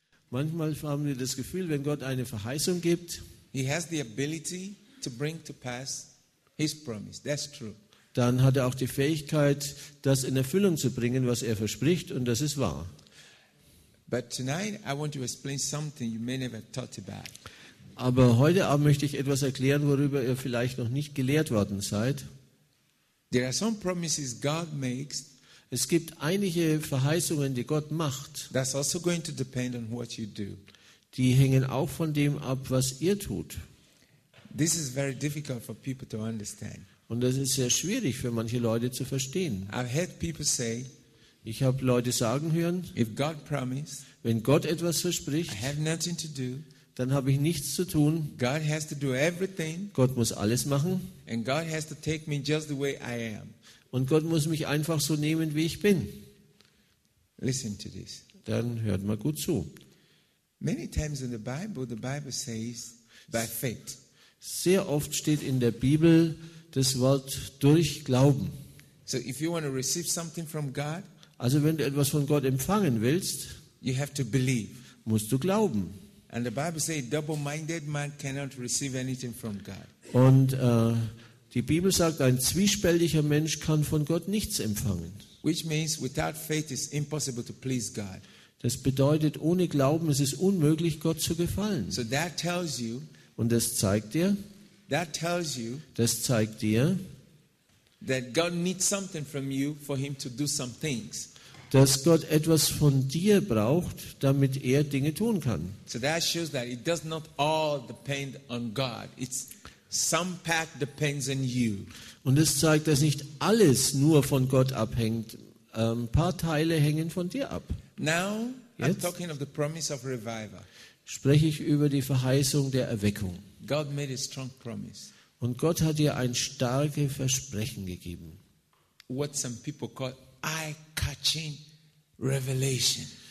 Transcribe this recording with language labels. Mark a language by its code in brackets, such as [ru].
[de] Manchmal haben wir das Gefühl, wenn Gott eine Verheißung gibt, [en] he has the ability to bring to pass his promise. That's true. [de] Dann hat er auch die Fähigkeit, das in Erfüllung zu bringen, was er verspricht, und das ist wahr. [en] But tonight I want to explain something you may never thought about. [de] Aber heute Abend möchte ich etwas erklären, worüber ihr vielleicht noch nicht gelehrt worden seid. [en] There are some promises God makes. [de] Es gibt einige Verheißungen, die Gott macht. [en] That's also going to depend on what you do. [de] Die hängen auch von dem ab, was ihr tut. [en] This is very difficult for people to understand. [de] Und das ist sehr schwierig für manche Leute zu verstehen. [en] I've heard people say, [de] ich habe Leute sagen hören, [en] if God promised, [de] wenn Gott etwas verspricht, [en] I have nothing to do, [de] dann habe ich nichts zu tun. [en] God has to do everything, [de] Gott muss alles machen. [en] And God has to take me just the way I am. [de] Und Gott muss mich einfach so nehmen, wie ich bin. [en] Listen to this. [de] Dann hört mal gut zu. [en] Many times in the Bible says by faith. [de] Sehr oft steht in der Bibel das Wort durch Glauben. [en] So if you want to receive something from God, [de] also wenn du etwas von Gott empfangen willst, [en] you have to believe. [de] Musst du glauben. [en] And the Bible says double-minded man cannot receive anything from God. [de] Und die Bibel sagt, ein zwiespältiger Mensch kann von Gott nichts empfangen. [en] Which means without faith it's impossible to please God. [de] Das bedeutet, ohne Glauben ist es unmöglich, Gott zu gefallen. [en] So that tells you, [de] und das zeigt dir, [en] that tells you, [de] das zeigt dir, [en] that God needs something from you for him to do some things. [de] Dass Gott etwas von dir braucht, damit er Dinge tun kann. [en] So that shows that it does not all depend on God. It's some part depends on you. [de] Und es zeigt, dass nicht alles nur von Gott abhängt. Ein paar Teile hängen von dir ab. [en] Now, jetzt I'm talking of the promise of revival. [de] Spreche ich über die Verheißung der Erweckung. [en] God made a strong promise. [de] Und Gott hat dir ein starkes Versprechen gegeben. [en] What some people call eye-catching revelation.